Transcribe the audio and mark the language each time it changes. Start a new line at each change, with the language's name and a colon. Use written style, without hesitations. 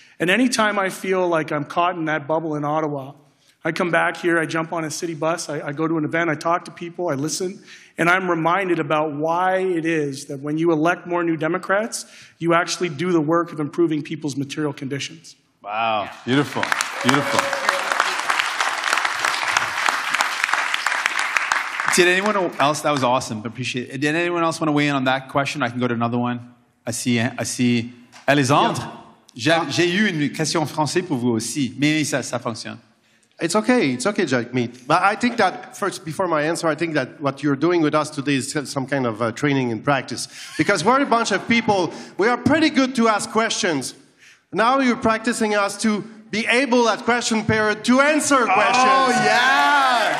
English: And anytime I feel like I'm caught in that bubble in Ottawa, I come back here, I jump on a city bus, I go to an event, I talk to people, I listen, and I'm reminded about why it is that when you elect more New Democrats, you actually do the work of improving people's material conditions. Wow, beautiful, beautiful. Did anyone else, that was awesome, appreciate it. Did anyone else want to weigh in on that question? I can go to another one. I see Alexandre. Yeah.
French: J'ai eu une question en français pour vous aussi, mais ça fonctionne.
English: It's okay, Jagmeet. But I think that, first, before my answer, I think that what you're doing with us today is some kind of training in practice. Because we're a bunch of people, we are pretty good to ask questions. Now you're practicing us to be able at question period to answer questions. Oh, yeah.